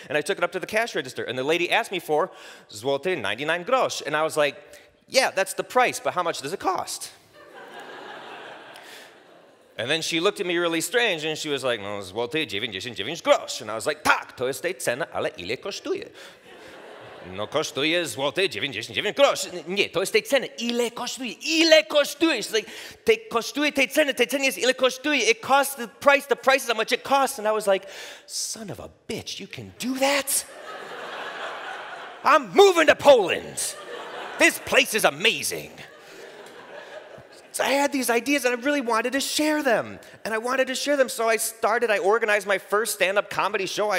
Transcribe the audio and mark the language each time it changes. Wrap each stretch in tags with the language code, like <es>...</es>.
<en>And I took it up to the cash register. And the lady asked me for złoty, 99 grosz. And I was like, yeah, that's the price, but how much does it cost? And then she looked at me really strange, and she was like, no, złoty 99 grosz. And I was like,</en> <pl>tak, to jest cena, ale ile kosztuje? No, kosztuje złoty 99 grosz. Nie, to jest cena, ile kosztuje? Ile kosztuje?</pl> <en>She's like,</en> <pl>te kosztuje te cena, te cena jest ile kosztuje?</pl> <en>It costs the price is how much it costs. And I was like, son of a bitch, you can do that? I'm moving to Poland. This place is amazing. I had these ideas and I really wanted to share them. And I wanted to share them, so I started, I organized my first stand-up comedy show.</en>